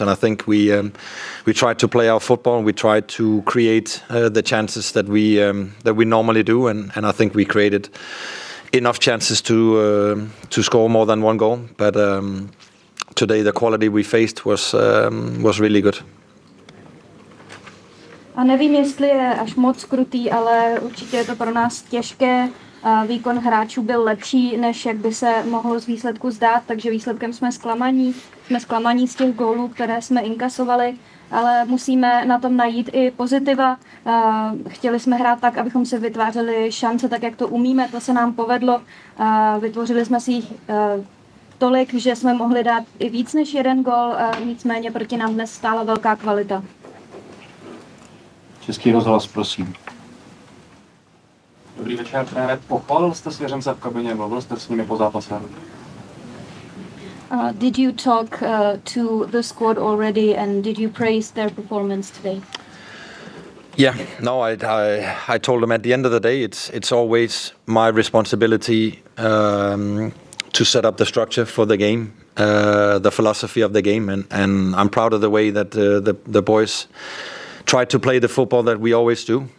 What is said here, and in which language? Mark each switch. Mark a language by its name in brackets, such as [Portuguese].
[English] And I think we tried to play our football. We tried to create the chances that we normally do. And I think we created enough chances to score more than one goal. But today the quality we faced was really good. [Czech] A nevím, jestli je až moc krutý, ale určitě je to pro nás těžké. Výkon hráčů byl lepší, než jak by se mohlo z výsledku zdát, takže výsledkem jsme zklamaní. Jsme zklamaní z těch gólů, které jsme inkasovali, ale musíme na tom najít i pozitiva. Chtěli jsme hrát tak, abychom si vytvářeli šance tak, jak to umíme. To se nám povedlo. Vytvořili jsme si jich tolik, že jsme mohli dát i víc než jeden gól. Nicméně proti nám dnes stála velká kvalita. Český rozhlas, prosím. Dobrý večer, trenére. Pochválil jste Svěřence v kabině, mluvil jste s nimi po zápase? [English] Did you talk to the squad already and did you praise their performance today? Yeah, no, I told them at the end of the day, it's always my responsibility to set up the structure for the game, the philosophy of the game, and I'm proud of the way that the boys try to play the football that we always do.